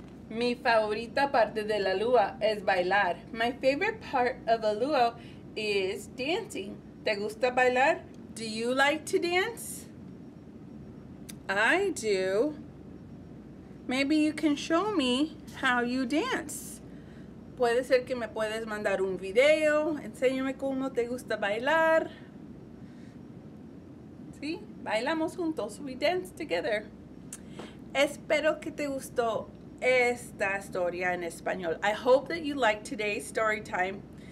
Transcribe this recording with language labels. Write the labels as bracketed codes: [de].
[es] Mi favorita parte de la lua es bailar. [en] My favorite part of a luau is dancing. [es] ¿Te gusta bailar? [en] Do you like to dance? I do. Maybe you can show me how you dance. [es] Puede ser que me puedes mandar un video. Enséñame cómo te gusta bailar. ¿Sí? Bailamos juntos. [en] We dance together. [es] Espero que te gustó esta historia en español. [en] I hope that you liked today's story time.